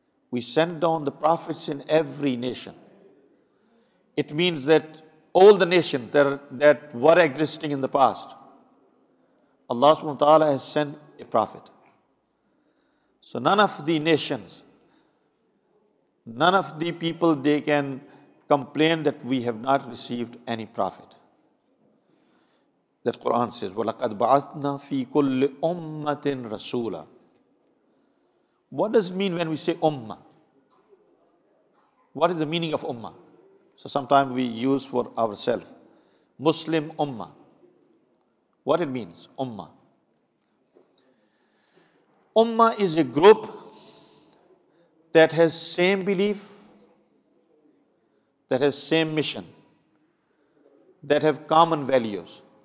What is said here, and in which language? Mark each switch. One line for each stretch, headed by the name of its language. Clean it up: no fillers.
English: We send down the prophets in every nation. It means that all the nations that were existing in the past, Allah subhanahu wa ta'ala has sent a prophet. So none of the nations, none of the people, they can complain that we have not received any prophet. That Quran says,
Arabic: وَلَقَدْ بَعَثْنَا فِي كُلِّ أُمَّةٍ رَسُولًا.
English: What does it mean when we say ummah? What is the meaning of ummah? So sometimes we use for ourselves, Muslim ummah. What it means, ummah? Ummah is a group that has same belief, that has same mission, that have common values.